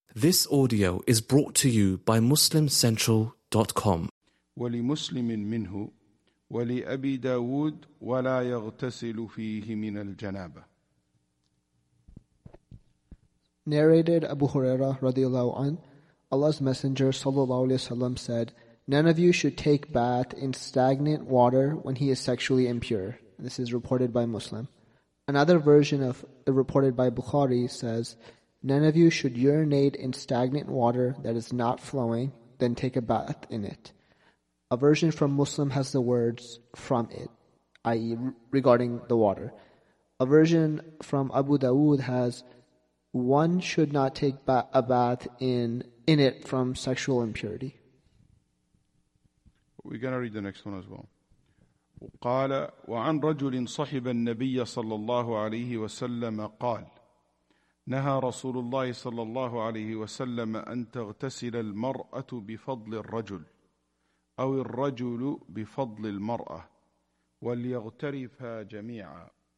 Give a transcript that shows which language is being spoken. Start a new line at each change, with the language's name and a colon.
English: This audio is brought to you by MuslimCentral.com.
Arabic: ولمسلم منه ولأبي داود ولا يغتسل فيه من الجنابة.
English: Narrated Abu Huraira radiallahu an, Allah's Messenger sallallahu alayhi wa sallam said, "None of you should take bath in stagnant water when he is sexually impure." This is reported by Muslim. Another version of the reported by Bukhari says, "None of you should urinate in stagnant water that is not flowing, then take a bath in it." A version from Muslim has the words "from it," i.e. regarding the water. A version from Abu Dawood has, "One should not take a bath in it from sexual impurity." We're going to read the next one as well.
Arabic: قال وعن رجل صحب النبي صلى الله عليه وسلم قال نهى رسول الله صلى الله عليه وسلم أن تغتسل المرأة بفضل الرجل أو الرجل بفضل المرأة وليغترفا جميعا